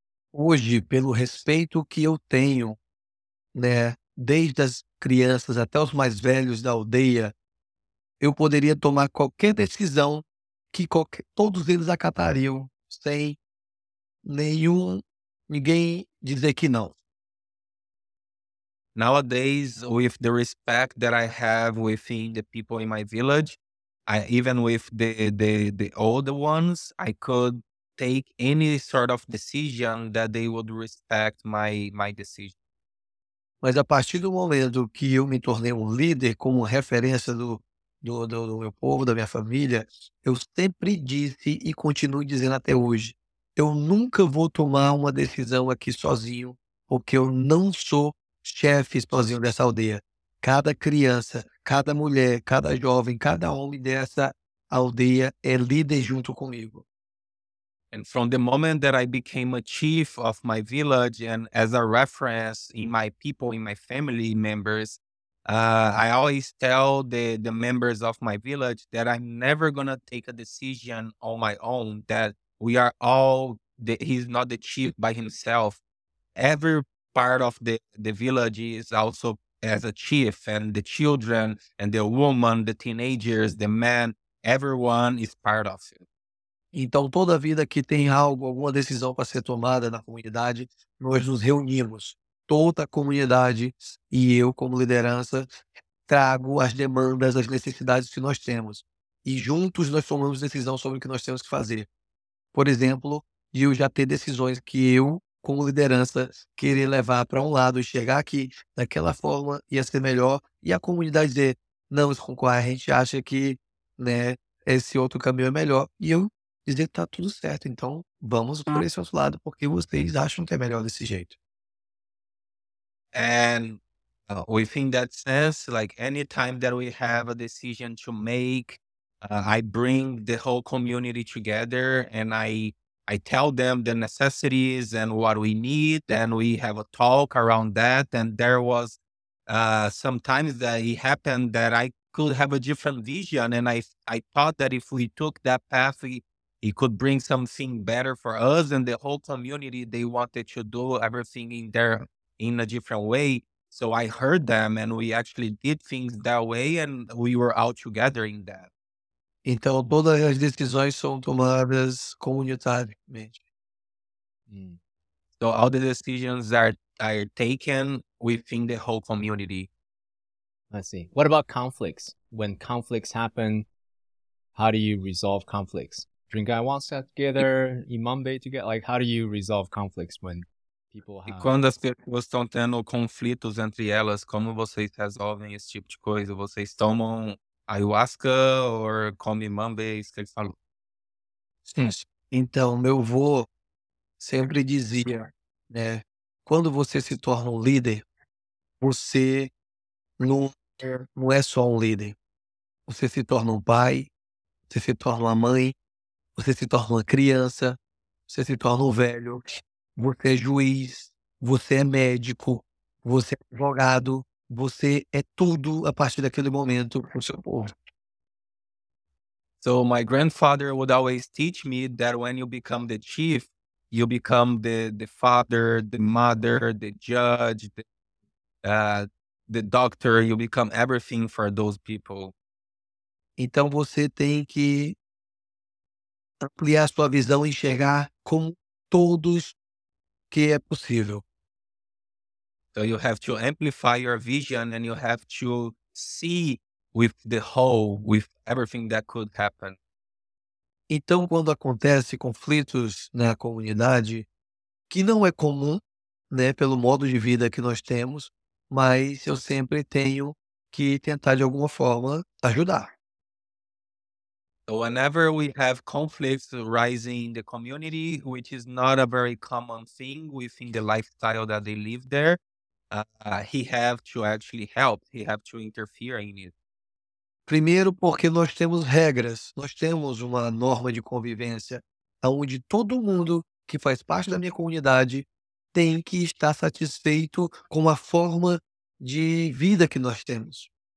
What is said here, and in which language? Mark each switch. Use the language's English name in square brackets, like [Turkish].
[Portuguese] Hoje, pelo respeito que eu tenho, né, desde as crianças até os mais velhos da aldeia, eu poderia tomar qualquer decisão que todos eles acatariam, sem ninguém dizer que não. [English] Nowadays, with the respect that I have within the people in my village, even with the older ones, I could take any sort of decision that they would respect my decision. [Portuguese] Mas a partir do momento que eu me tornei líder como referência do meu povo, da minha família, eu sempre disse e continuo dizendo até hoje, eu nunca vou tomar uma decisão aqui sozinho, porque eu não sou chefe sozinho dessa aldeia. Cada criança, cada mulher, cada jovem, cada homem dessa aldeia é líder junto comigo. [English] And from the moment that I became a chief of my village and as a reference in my people, in my family members, I always tell the members of my village that I'm never gonna take a decision on my own, that we are all, he's not the chief by himself. Every part of the village is also as a chief, and the children and the woman, the teenagers, the men, everyone is part of it. [Portuguese] Então, toda vida que tem algo, alguma decisão para ser tomada na comunidade, nós nos reunimos, toda a comunidade e eu como liderança trago as demandas, as necessidades que nós temos e juntos nós tomamos decisão sobre o que nós temos que fazer. Por exemplo, eu já ter decisões que eu como liderança, querer levar para um lado e chegar aqui daquela forma ia ser melhor, e a comunidade dizer, não, Iskukua, a gente acha que, né, esse outro caminho é melhor, e eu dizer que tá tudo certo, então vamos por esse outro lado, porque vocês acham que é melhor desse jeito. [English] And within that sense, like any time that we have a decision to make, I bring the whole community together and I tell them the necessities and what we need, and we have a talk around that. And there was sometimes that it happened that I could have a different vision. And I thought that if we took that path, it could bring something better for us and the whole community. They wanted to do everything in there in a different way. So I heard them, and we actually did things that way, and we were all together in that. [Portuguese] Então, todas as decisões são tomadas comunitariamente. [English] So all the decisions are taken within the whole community. I see. What about conflicts? When conflicts happen, how do you resolve conflicts? Drink ayahuasca together, imambe together? Like, how do you resolve conflicts when people have... [Portuguese] E quando as pessoas estão tendo conflitos entre elas, como vocês resolvem esse tipo de coisa? Vocês tomam... Ayahuasca [English] or [Portuguese] come mambe, isso que ele falou. Sim. Então, meu avô sempre dizia, né? Quando você se torna um líder, você não é só um líder. Você se torna um pai, você se torna uma mãe, você se torna uma criança, você se torna um velho, você é juiz, você é médico, você é advogado. Você é tudo a partir daquele momento pro seu povo. [English] So my grandfather would always teach me that when you become the chief, you become the father, the mother, the judge, the doctor, you become everything for those people. [Portuguese] Então você tem que ampliar sua visão e enxergar como todos que é possível. [English] So you have to amplify your vision, and you have to see with the whole, with everything that could happen. [Portuguese] Então, quando acontece conflitos na comunidade, que não é comum, né, pelo modo de vida que nós temos, mas eu sempre tenho que tentar de alguma forma ajudar. [English] So whenever we have conflicts rising in the community, which is not a very common thing within the lifestyle that they live there, he have to actually help. He have to interfere in it. [Portuguese] Primeiro, porque nós temos regras. Nós temos uma norma de convivência onde todo mundo que faz parte da minha comunidade tem que estar satisfeito com a forma de vida que nós temos.